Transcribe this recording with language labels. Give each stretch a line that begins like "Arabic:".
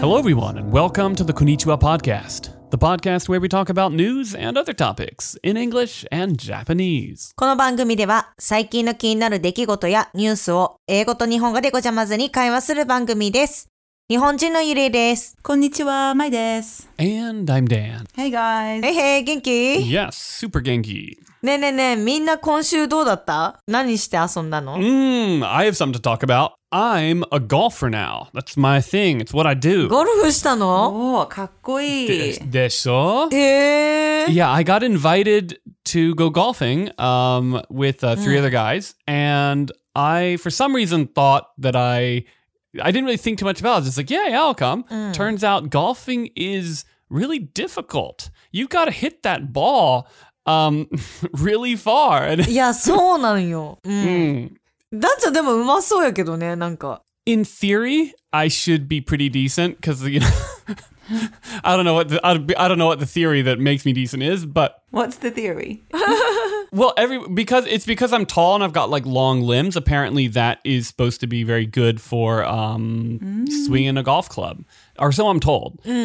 English: Hello everyone and welcome to the Konnichiwa Podcast, the podcast where we talk about news and other topics in English and Japanese.
Japanese: この番組では最近の気になる出来事やニュースを英語と日本語でごちゃまぜに会話する番組です。日本人のゆりです。こんにちは、まいです。
English: And I'm Dan. Hey guys. Hey hey,
Japanese: 元気?
English: Yes, super
Japanese: 元気。ねえねえねえ、みんな今週どうだった? 何して遊んだの?
English: I have something to talk about. I'm a golfer now. That's my thing. It's what I do.
Japanese: ゴルフしたの? おー、かっこいい。でしょ? へえ。
English: Yeah, I got invited to go golfing, with three other guys. And I, for some reason, thought that I didn't really think too much about it. I was just like, yeah, yeah, I'll come. Turns out golfing is really difficult. You've got to hit that ball really far. Yeah, so
Japanese: なんよ。ダンちゃんでも上手そうやけどね、なんか。
English: In theory, I should be pretty decent because, you know, I don't know what the theory that makes me decent is, but... What's the theory? Well, because I'm tall and I've got like long limbs, apparently that is supposed to be very good for swinging a golf club, or so I'm told.